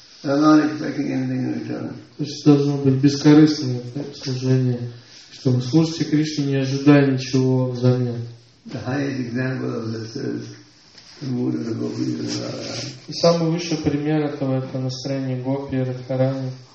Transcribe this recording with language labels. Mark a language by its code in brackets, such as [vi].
[en] So I'm not expecting anything in return. [ru] То есть должно быть бескорыстное, да, служение, что вы служите Кришне, не ожидая ничего взамен. [en] The highest example of this is the mood of the Gopi Radharani. [ru] И самый высший пример этого – это настроение Гопи и Радхарани.